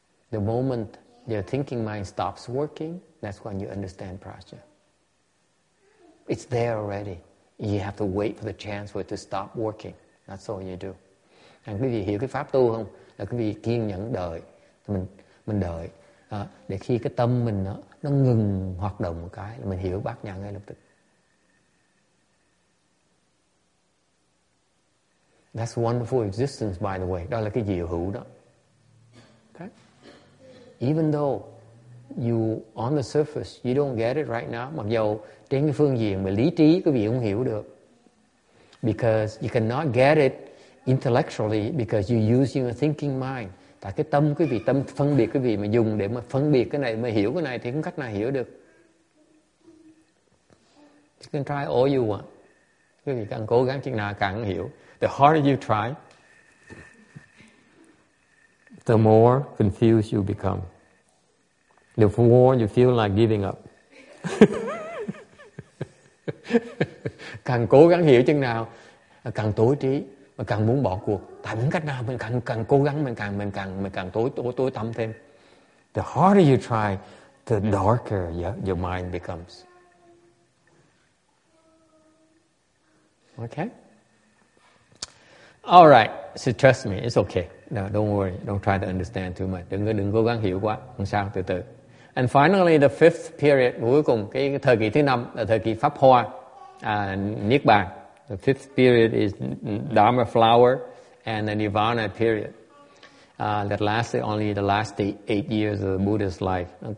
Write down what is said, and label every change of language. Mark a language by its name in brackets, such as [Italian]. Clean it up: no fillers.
[English] The moment your thinking mind stops working, that's when you understand prajna. It's there already. You have to wait for the chance for it to stop working. That's all you do. [Vietnamese] Anh quý vị hiểu cái pháp tu không? Là quý vị kiên nhẫn đợi. Mình đợi để khi cái tâm mình nó ngừng hoạt động một cái là mình hiểu bát nhã ngay lập tức. [English] That's wonderful existence, by the way. [Vietnamese] Đó là cái diệu hữu đó. [English] Okay. Even though you on the surface you don't get it right now, [Vietnamese] mặc dù trên cái phương diện về lý trí quý vị không hiểu được, [English] because you cannot get it intellectually because you use your thinking mind. [Vietnamese] Tại cái tâm quý vị, tâm phân biệt quý vị mà dùng để mà phân biệt cái này, mà hiểu cái này thì không cách nào hiểu được. [English] You can try all you want. [Vietnamese] Quý vị càng cố gắng chừng nào càng hiểu. [English] The harder you try, the more confused you become. The more you feel like giving up. [Vietnamese] Càng cố gắng hiểu chừng nào, càng tối trí, mà càng muốn bỏ cuộc. Tại những cách nào mình càng càng cố gắng, mình càng tối tăm thêm. [English] The harder you try, the darker your mind becomes. Okay. All right. So trust me, it's okay. No, don't worry. Don't try to understand too much. [Vietnamese] Đừng cố gắng hiểu quá. Không sao, từ từ. [English] And finally, the fifth period, [Vietnamese] cuối cùng, cái thời kỳ thứ năm là thời kỳ Pháp Hoa, Niết Bàn. [English] The fifth period is Dharma Flower and the Nirvana period. That lasted only the last 8 years of the Buddha's life.